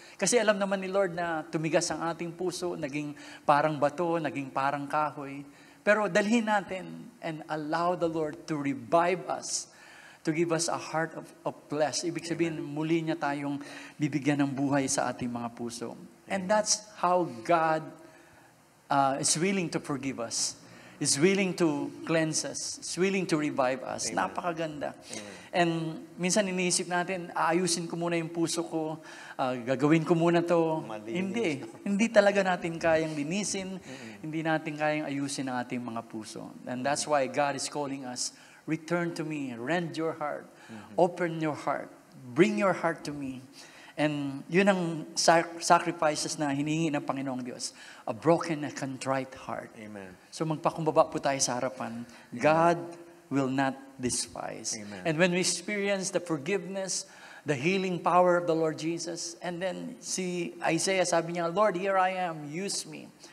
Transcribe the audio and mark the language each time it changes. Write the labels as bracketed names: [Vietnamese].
[Filipino] Kasi alam naman ni Lord na tumigas ang ating puso, naging parang bato, naging parang kahoy. Pero dalhin natin [English] and allow the Lord to revive us, to give us a heart of flesh. [Filipino] Ibig sabihin, muli niya tayong bibigyan ng buhay sa ating mga puso. [English] And that's how God is willing to forgive us, is willing to cleanse us, is willing to revive us. Amen. [Filipino] Napakaganda. [English] Amen. [Filipino] And minsan iniisip natin, aayusin ko muna yung puso ko, gagawin ko muna to. Malinis. Hindi. Hindi talaga natin kayang linisin, hindi natin kayang ayusin ang ating mga puso. [English] And that's why God is calling us, return to me, rend your heart, open your heart, bring your heart to me. [Filipino] And yun ang sacrifices na hinihingi ng Panginoong Diyos. [English] A broken, a contrite heart. Amen. [Filipino] So magpakumbaba po tayo sa harapan. [English] God will not despise. Amen. And when we experience the forgiveness, the healing power of the Lord Jesus, and then [Filipino] si Isaiah sabi niya, [English] Lord, here I am, use me.